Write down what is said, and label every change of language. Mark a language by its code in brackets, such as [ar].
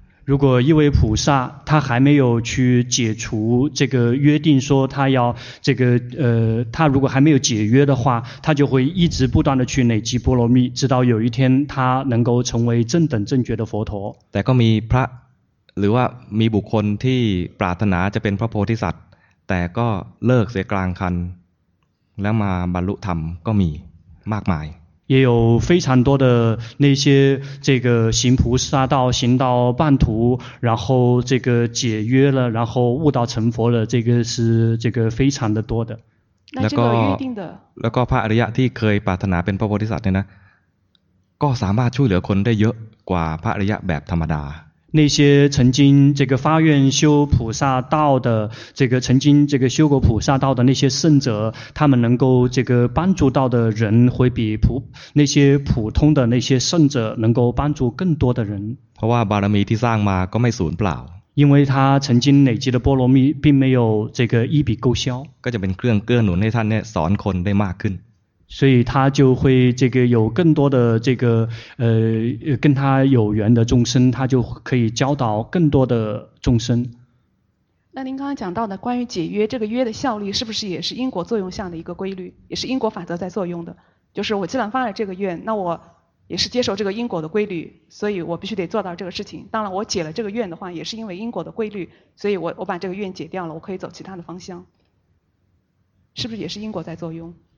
[zh] 如果一位菩萨他还没有去解除这个约定说他要这个他如果还没有解约的话他就会一直不断的去累积波罗蜜直到有一天他能够成为正等正觉的佛陀 [th] แต่ก็มีพระหรือว่ามีบุคคลที่ปรารถนาจะเป็นพระโพธิสัตว์แต่ก็เลิกเสียกลางคันแล้วมาบรรลุธรรมก็มี มากมาย [zh] 也有非常多的那些这个行菩萨道行到半途然后这个解约了然后悟道成佛了这个是这个非常的多的那这个约定的 [th] แล้วก็พระอริยะที่เคยปรารถนาเป็นพระโพธิสัตว์เนี่ยนะก็สามารถช่วยเหลือคนได้เยอะกว่าพระอริยะแบบธรรมดา [zh] 那些曾经这个发愿修菩萨道的这个曾经这个修过菩萨道的那些圣者他们能够这个帮助到的人会比普那些普通的那些圣者能够帮助更多的人 [th] เพราะว่าบารมีที่สร้างมาก็ไม่สูญเปล่า [zh] 因为他曾经累积的波罗蜜并没有这个一笔勾销 [th] ก็จะเป็นเครื่องเกื้อหนุนให้ท่านเนี่ยสอนคนได้มากขึ้น [zh] 所以他就会这个有更多的这个跟他有缘的众生他就可以教导更多的众生那您刚刚讲到的关于解约这个约的效力是不是也是因果作用相的一个规律也是因果法则在作用的就是我既然发了这个愿那我也是接受这个因果的规律所以我必须得做到这个事情当然我解了这个愿的话也是因为因果的规律所以我把这个愿解掉了我可以走其他的方向是不是也是因果在作用